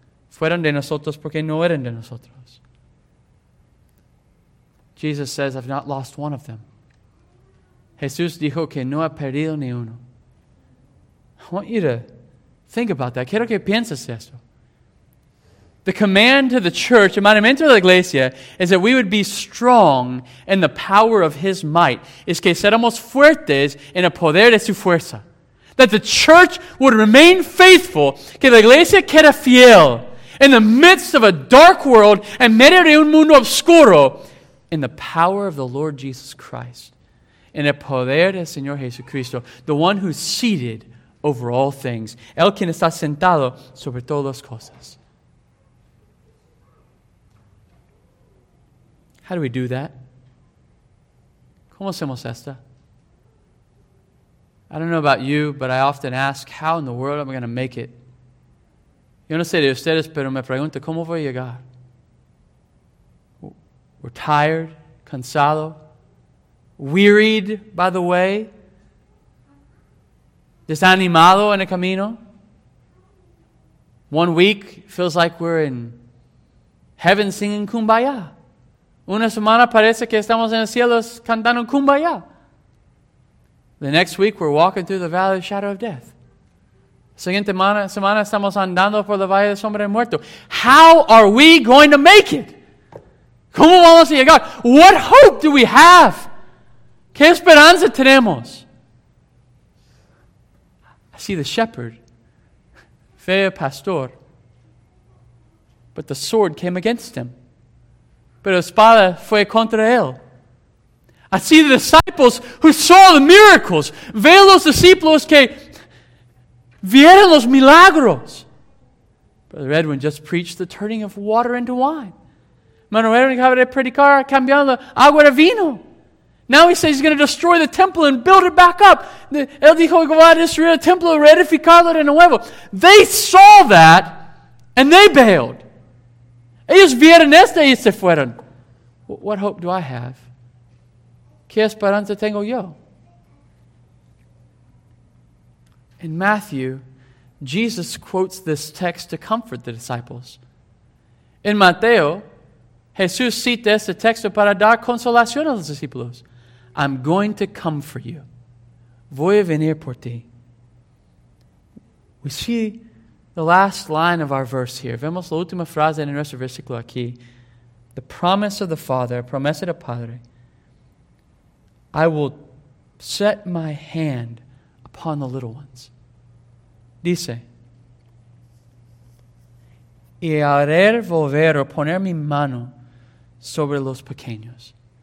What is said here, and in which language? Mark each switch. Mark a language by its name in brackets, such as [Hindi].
[Spanish] Fueron de nosotros porque no eran de nosotros. [English] Jesus says, I've not lost one of them. [Spanish] Jesús dijo que no ha perdido ni uno. [English] I want you to think about that. [Spanish] Quiero que pienses esto. [English] The command to the church, [Spanish] el mandamiento de la iglesia, [English] is that we would be strong in the power of His might. [Spanish] Es que seramos fuertes en el poder de su fuerza. [English] That the church would remain faithful, [Spanish] que la iglesia quede fiel [English] in the midst of a dark world, [Spanish] en medio de un mundo oscuro, [English] in the power of the Lord Jesus Christ, [Spanish] en el poder del Señor Jesucristo, [English] the one who's seated over all things, [Spanish] el quien está sentado sobre todas las cosas. [English] How do we do that? [Spanish] ¿Cómo hacemos esta? [English] I don't know about you, but I often ask, how in the world am I going to make it? [Spanish] Yo no sé de ustedes, pero me pregunto, ¿cómo voy a llegar? [English] We're tired, [Spanish] cansado, [English] wearied by the way, [Spanish] desanimado en el camino. [English] 1 week feels like we're in heaven singing kumbaya. [Spanish] Una semana parece que estamos en el cielo cantando kumbaya. [English] The next week, we're walking through the valley of the shadow of death. [Spanish] Siguiente semana estamos andando por la valle de sombra de muerto. [English] How are we going to make it? [Spanish] ¿Cómo vamos a llegar? [English] What hope do we have? [Spanish] ¿Qué esperanza tenemos? [English] I see the shepherd, [Spanish] feo pastor, [English] but the sword came against him. [Spanish] Pero espada fue contra él. [English] I see the disciples who saw the miracles. [Spanish] Ve los discípulos que vieron los milagros. [English] Brother Edwin just preached the turning of water into wine. [Spanish] Mano Edwin acaba de predicar cambiando agua de vino. [English] Now he says he's going to destroy the temple and build it back up. [Spanish] Él dijo que va a destruir el templo y reedificarlo de nuevo. [English] They saw that and they bailed. [Spanish] Ellos vieron esto y se fueron. [English] What hope do I have? [Spanish] ¿Qué esperanza tengo yo? [English] In Matthew, Jesus quotes this text to comfort the disciples. [Spanish] In Mateo, Jesús cita este texto para dar consolación a los discípulos. [English] I'm going to come for you. [Spanish] Voy a venir por ti. [English] We see the last line of our verse here. [Spanish] Vemos la última frase en nuestro versículo aquí. [English] The promise of the Father, [Spanish] promesa del Padre. [English] I will set my hand upon the little ones. [Spanish] Dice, y haré volver o poner mi mano sobre los pequeños.